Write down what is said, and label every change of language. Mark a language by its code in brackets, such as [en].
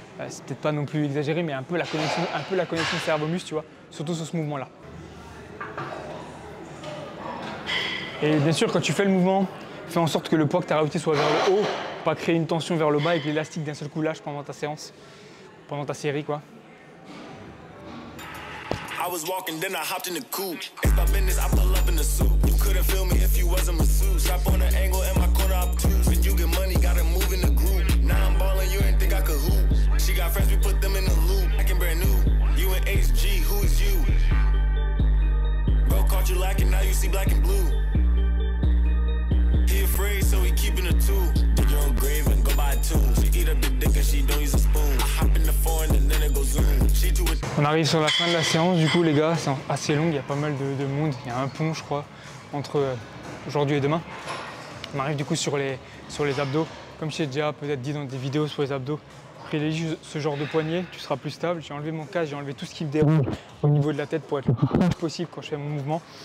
[fr] C'est peut-être pas non plus exagéré, mais un peu la connexion cerveau-muscle, tu vois, surtout sur ce mouvement-là. Et bien sûr, quand tu fais le mouvement, fais en sorte que le poids que tu as rajouté soit vers le haut, pas créer une tension vers le bas et que l'élastique d'un seul coup lâche pendant ta séance, pendant ta série, quoi. [en] I was walking, then I hopped in the coupe. It's my business, I pull up in the suit. You couldn't feel me if you wasn't masseuse. Shop on an angle in my corner obtuse. When you get money, gotta move in the group. Now I'm ballin', you ain't think I could hoop. She got friends, we put them in the loop. I can brand new. You and HG, who is you? Bro caught you lacking, now you see black and blue. He afraid, so he keeping a two. Dig your own grave and go buy a tomb. She eat a big dick and she don't use a spoon. I hop in the foreign and then it goes zoom. She too. [fr] On arrive sur la fin de la séance, du coup les gars, c'est assez long, il y a pas mal de monde, il y a un pont je crois, entre aujourd'hui et demain. On arrive du coup sur les abdos, comme je t'ai déjà peut-être dit dans des vidéos sur les abdos, privilégie ce genre de poignée, tu seras plus stable. J'ai enlevé mon casque, j'ai enlevé tout ce qui me déroule au niveau de la tête pour être le plus possible quand je fais mon mouvement.